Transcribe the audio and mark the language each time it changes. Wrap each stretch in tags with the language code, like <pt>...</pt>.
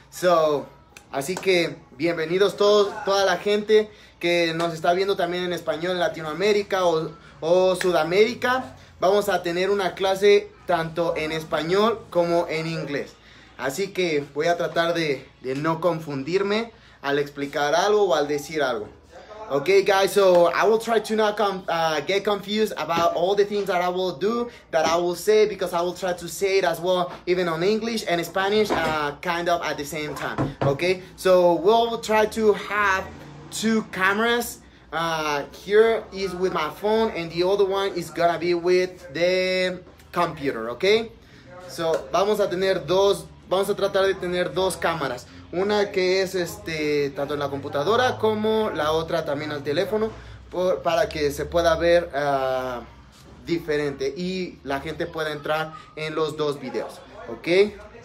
<es>So, así que bienvenidos todos, toda la gente que nos está viendo también en español en Latinoamérica o Sudamérica. Vamos a tener una clase tanto en español como en inglés. Así que voy a tratar de no confundirme al explicar algo o al decir algo.</es> <en>Okay, guys, so I will try to not get confused about all the things that I will do, that I will say, because I will try to say it as well, even on English and Spanish, kind of at the same time, okay? So we'll try to have two cameras. Here is with my phone, and the other one is gonna be with the computer, okay?</en> <es>So vamos a tratar de tener dos cámaras. Una que es tanto en la computadora como la otra también al teléfono para que se pueda ver diferente y la gente pueda entrar en los dos videos, ¿ok?</es>